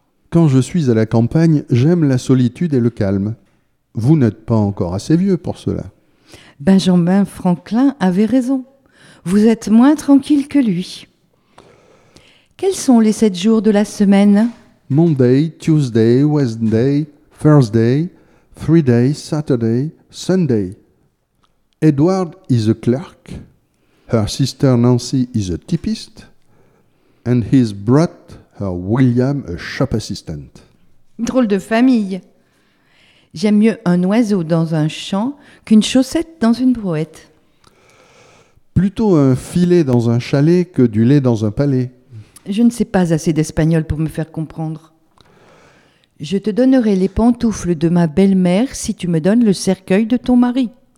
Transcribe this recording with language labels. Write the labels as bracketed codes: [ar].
[fr] Quand je suis à la campagne, j'aime la solitude et le calme. Vous n'êtes pas encore assez vieux pour cela. Benjamin Franklin avait raison. Vous êtes moins tranquille que lui. Quels sont les 7 jours de la semaine ? [en] Monday, Tuesday, Wednesday, Thursday, Friday, Saturday, Sunday. Edward is a clerk. Her sister Nancy is a typist. And his brother William a shop assistant. [fr] Drôle de famille. J'aime mieux un oiseau dans un champ qu'une chaussette dans une brouette. Plutôt un filet dans un chalet que du lait dans un palais. Je ne sais pas assez d'espagnol pour me faire comprendre. Je te donnerai les pantoufles de ma belle-mère si tu me donnes le cercueil de ton mari.